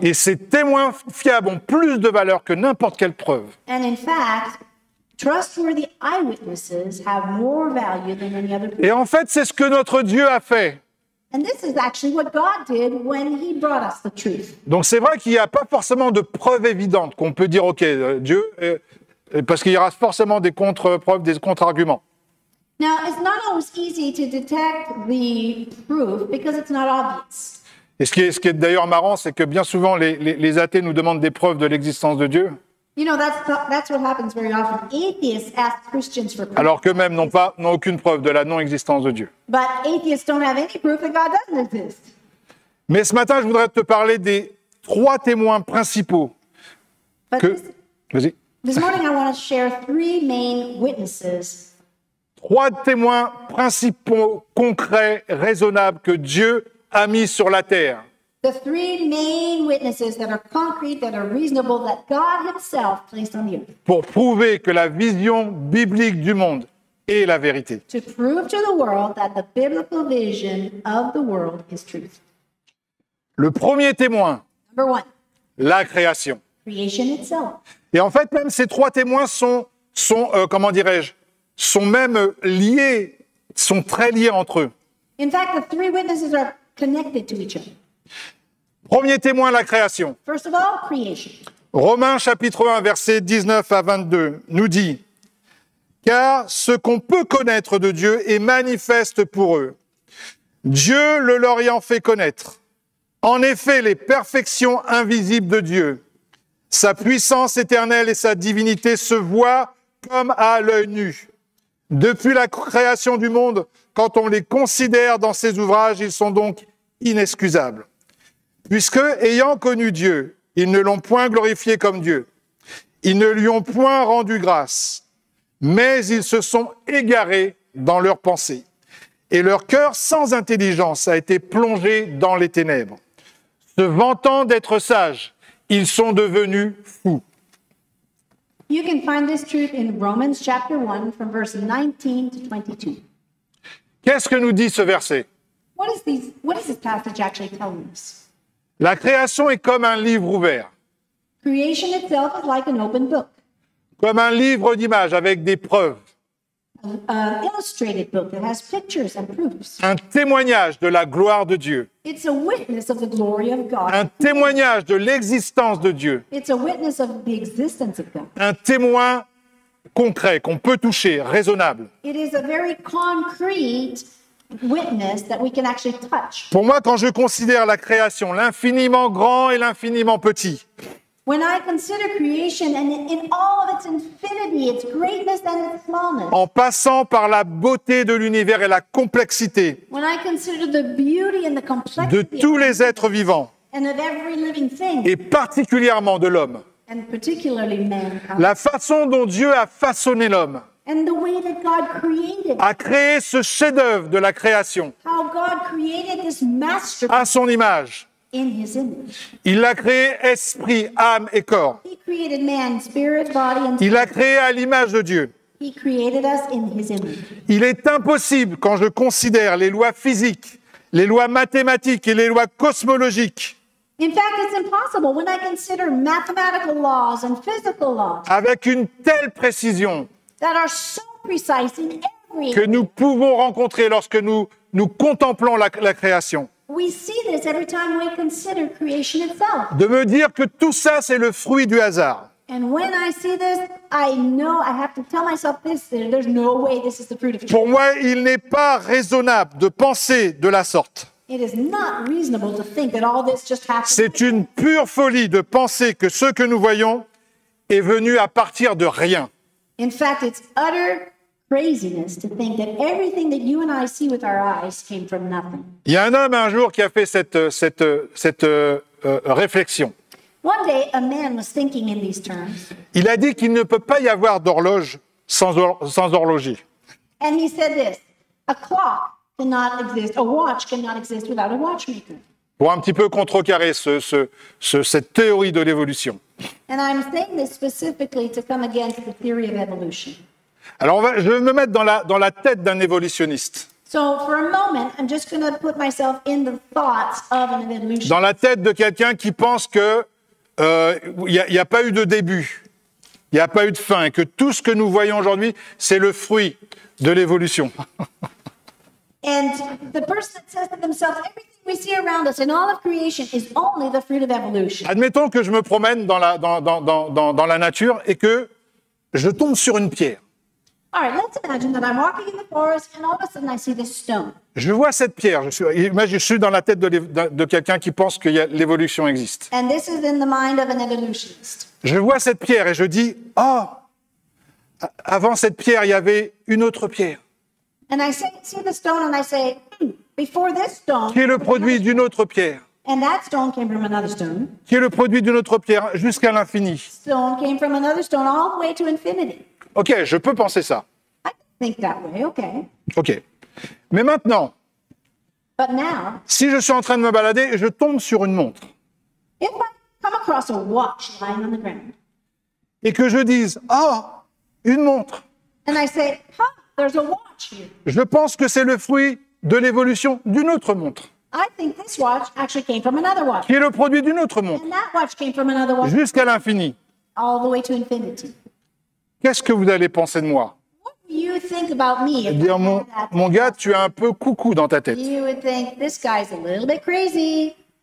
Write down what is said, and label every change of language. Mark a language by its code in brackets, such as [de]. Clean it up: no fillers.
[fr] et ces témoins fiables ont plus de valeur que n'importe quelle preuve. [en] And in fact, trustworthy eyewitnesses have more value than any other proof. [fr] Et en fait, c'est ce que notre Dieu a fait. [en] And this is actually what God did when he brought us the truth. [fr] Donc c'est vrai qu'il n'y a pas forcément de preuves évidentes qu'on peut dire, OK, Dieu, parce qu'il y aura forcément des contre-preuves, des contre-arguments. [en] Now, it's not always easy to detect the proof because it's not obvious. [fr] Et ce qui est d'ailleurs marrant, c'est que bien souvent, les athées nous demandent des preuves de l'existence de Dieu. [en] You know, that's what happens very often. Atheists ask Christians for proof. [fr] Alors qu'eux-mêmes n'ont aucune preuve de la non-existence de Dieu. [en] But atheists don't have any proof that God doesn't exist. [fr] Mais ce matin, je voudrais te parler des trois témoins principaux. [en] This morning I want to share three main witnesses. [fr] Trois témoins principaux, concrets, raisonnables que Dieu a mis sur la terre. [en] The three main witnesses that are concrete, that are reasonable, that God himself placed on the earth. [fr] Pour prouver que la vision biblique du monde est la vérité. [en] To prove to the world that the biblical vision of the world is truth. [fr] Le premier témoin. [en] Number one. [fr] La création. [en] Creation itself. [fr] Et en fait, même ces trois témoins sont très liés entre eux. [en] In fact, the three witnesses are connected to each other. [fr] Premier témoin, la création. [en] First of all, creation. [fr] Romains chapitre 1, versets 19 à 22 nous dit « Car ce qu'on peut connaître de Dieu est manifeste pour eux, Dieu le leur ayant fait connaître. En effet, les perfections invisibles de Dieu, sa puissance éternelle et sa divinité se voient comme à l'œil nu. Depuis la création du monde, quand on les considère dans ses ouvrages, ils sont donc inexcusables. Puisque, ayant connu Dieu, ils ne l'ont point glorifié comme Dieu, ils ne lui ont point rendu grâce, mais ils se sont égarés dans leurs pensées. Et leur cœur sans intelligence a été plongé dans les ténèbres. Se vantant d'être sages, ils sont devenus fous. » [en] You can find this truth in Romans chapter 1, from verse 19 to 22. [fr] Qu'est-ce que nous dit ce verset? [en] What is this passage actually telling us? [fr] La création est comme un livre ouvert. [en] Creation itself is like an open book. [fr] Comme un livre d'images avec des preuves. [en] An illustrated book that has pictures and proofs. [fr] Un témoignage de la gloire de Dieu. [en] It's a witness of the glory of God. [fr] Un témoignage de l'existence de Dieu. [en] It's a witness of the existence of God. [fr] Un témoin concret qu'on peut toucher, raisonnable. [en] It is a very concrete witness that we can actually touch. [fr] Pour moi, quand je considère la création, l'infiniment grand et l'infiniment petit. [en] When I consider creation and in all of its infinity, its greatness and its smallness. [fr] En passant par la beauté de l'univers et la complexité. [en] When I consider the beauty and the complexity. [fr] De tous les êtres vivants. [en] And of every living thing. [fr] Et particulièrement de l'homme. [en] And particularly mankind. [fr] La façon dont Dieu a façonné l'homme. [en] And the way that God created. [fr] A créé ce chef-d'œuvre de la création. [en] How God created this masterpiece. [fr] À son image. [en] In his image. [fr] Il l'a créé esprit, âme et corps. [en] He created man, spirit, body, and spirit. [fr] Il l'a créé à l'image de Dieu. [en] He created us in his image. [fr] Il est impossible, quand je considère les lois physiques, les lois mathématiques et les lois cosmologiques, [en] in fact, it's impossible when I consider mathematical laws and physical laws, [fr] avec une telle précision [en] that are so precise in every [fr] que nous pouvons rencontrer lorsque nous contemplons la création. [en] We see this every time we consider creation itself. [fr] De me dire que tout ça, c'est le fruit du hasard. [en] And when I see this, I know I have to tell myself this, there's no way this is the fruit of creation. [fr] Pour moi, il n'est pas raisonnable de penser de la sorte. [en] It is not reasonable to think that all this just happened. [fr] C'est une pure folie de penser que ce que nous voyons est venu à partir de rien. [en] In fact, it's utter craziness to think that everything that you and I see with our eyes came from nothing. [fr] Il y a un homme un jour qui a fait cette réflexion. [en] One day a man was thinking in these terms. [fr] Il a dit qu'il ne peut pas y avoir d'horloge sans horloger. [en] And he said this: a clock cannot exist, a watch cannot exist without a watchmaker. [fr] Pour un petit peu contrecarrer cette théorie de l'évolution. [en] And I'm saying this specifically to come against the theory of evolution. [fr] Alors, je vais me mettre dans la tête d'un évolutionniste. [en] So, for a moment, I'm just going to put myself in the thoughts of an evolutionist. [fr] Dans la tête de quelqu'un qui pense que il y a pas eu de début, il y a pas eu de fin, que tout ce que nous voyons aujourd'hui, c'est le fruit de l'évolution. [en] And the person that says to themselves, everything we see around us in all of creation is only the fruit of evolution. [fr] Admettons que je me promène dans la nature et que je tombe sur une pierre. [en] All right, let's imagine that I'm walking in the forest and all of a sudden I see this stone. [fr] Je vois cette pierre. Je suis dans la tête de quelqu'un qui pense que l'évolution existe. [en] And this is in the mind of an evolutionist. [fr] Je vois cette pierre et je dis, oh, avant cette pierre, il y avait une autre pierre. [en] And I say, see the stone and I say, before this stone. [fr] Qui est le produit d'une autre pierre. [en] And that stone came from another stone. [fr] Qui est le produit d'une autre pierre jusqu'à l'infini. [en] Stone came from another stone all the way to infinity. [fr] Ok, je peux penser ça. [en] I think that way, okay. [fr] Ok. Mais maintenant, [en] but now, [fr] si je suis en train de me balader, je tombe sur une montre. [en] If I come across a watch lying on the ground, [fr] et que je dise, oh, une montre. [en] And I say, huh, there's a watch here. [fr] Je pense que c'est le fruit de l'évolution d'une autre montre. [en] I think this watch actually came from another watch. [fr] Qui est le produit d'une autre montre. [en] And that watch came from another watch. [fr] Jusqu'à l'infini. [en] All the way to infinity. [fr] Qu'est-ce que vous allez penser de moi? [en] What do you think about me? [fr] Dire, mon gars, tu es un peu coucou dans ta tête. [en] You would think, this guy's a little bit crazy.